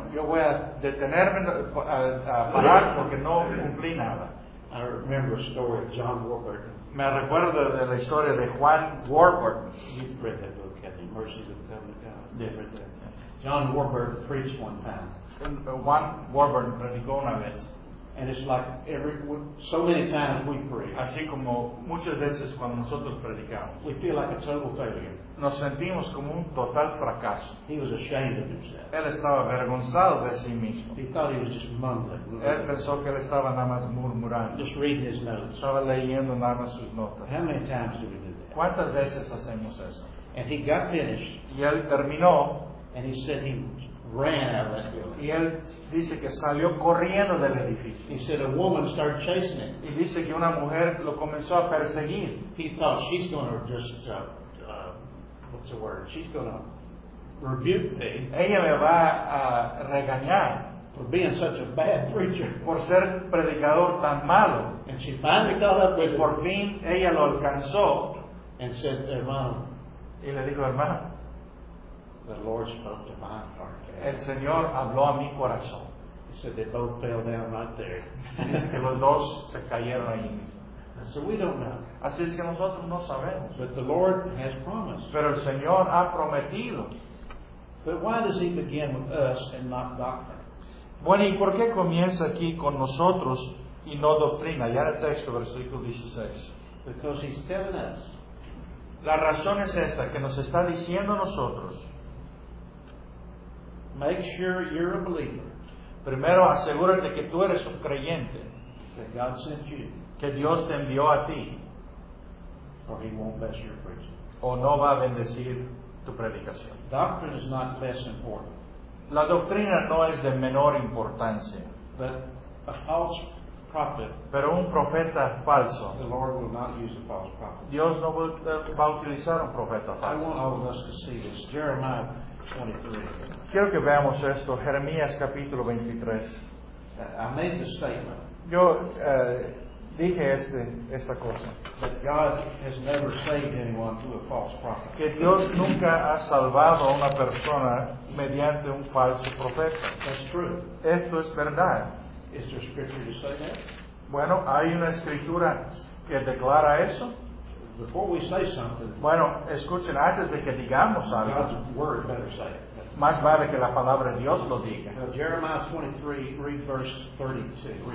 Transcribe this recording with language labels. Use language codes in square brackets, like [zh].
[es] yo voy a detenerme a parar porque no cumplí nada. [en] I remember a story of John Warburton. [es] Me recuerdo de la historia de Juan Warburton. [en] You've read that book, Kathy. Mercies of the Covenant of God. John Warburton preached one time. [es] Juan Warburton predicó una vez. [en] And it's like so many times we preach. [es] Así como muchas veces cuando nosotros predicamos. [en] We feel like a total failure. [es] Nos sentimos como un total fracaso. [en] He was ashamed of himself. [es] Él estaba avergonzado de sí mismo. [en] He thought he was just mumbling. [es] Él pensó que él estaba nada más murmurando. [en] Just reading his notes. [es] Estaba leyendo nada más sus notas. [en] How many times do we do that? [es] ¿Cuántas veces hacemos eso? [en] And he got finished. [es] Y él terminó. [en] And he said he ran out of that building. [es] Y él dice que salió corriendo del edificio. [en] He said a woman started chasing him. [es] Y dice que una mujer lo comenzó a perseguir. [en] He thought she's going to just, what's the word? She's going to rebuke me. [es] Ella me va a regañar. [en] For being such a bad preacher. [es] Por ser predicador tan malo. [en] And she finally caught up with him. [es] Por fin ella lo alcanzó. [en] And said, hermano. [es] Y le dijo, hermano. [en] The Lord spoke to my heart. [es] El Señor habló a mi corazón. [en] He said they both fell down right there. [es] Dice que los dos se cayeron ahí mismo. [en] So we don't know. [es] Así es que nosotros no sabemos. [en] But the Lord has promised. [es] Pero el Señor ha prometido. [en] But why does he begin with us and not doctrine? [es] Bueno, ¿y por qué comienza aquí con nosotros y no doctrina? Ya en el texto, versículo 16. [en] Because he's telling us. [es] La razón es esta, que nos está diciendo nosotros. [en] Make sure you're a believer. [es] Primero, asegúrate que tú eres un creyente. [en] That God sent you. [es] Que Dios te envió a ti. [en] Or he won't bless your preaching. [es] O no va a bendecir tu predicación. [en] Doctrine is not less important. [es] La doctrina no es de menor importancia. [en] But a false prophet. [es] Pero un profeta falso. [en] The Lord will not use a false prophet. [es] Dios no va a utilizar un profeta falso. [en] I want all of us to see this. Jeremiah. [es] Quiero que veamos esto, Jeremías capítulo 23. [en] I made the statement. [es] Yo dije esta cosa. [en] That God has never saved anyone through a false prophet. [es] Que Dios nunca ha salvado a una persona mediante un falso profeta. [en] That's true. [es] Esto es verdad. [en] Is there scripture to say that? [es] Bueno, hay una escritura que declara eso. [en] Before we say something, [es] bueno, escuchen, antes de que digamos algo, [en] God's word better say it. [es] Más vale que la palabra de Dios lo diga. [en] Now, Jeremiah 23, read verse 32.